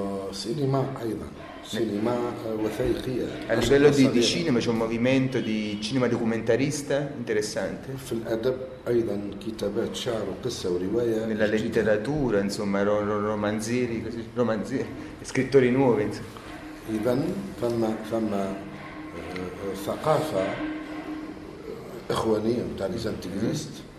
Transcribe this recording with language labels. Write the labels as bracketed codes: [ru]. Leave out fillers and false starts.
[ar] سينما أيضا, سينما وثائقية. [it] A livello di cinema c'è un movimento di cinema documentarista interessante. [ar] في الأدب أيضا كتابات شعر وقصة ورواية. [it] Nella letteratura insomma romanzieri, scrittori nuovi. [ar] إذا فما ثقافة إخوانية متاع ليزانتيغريست.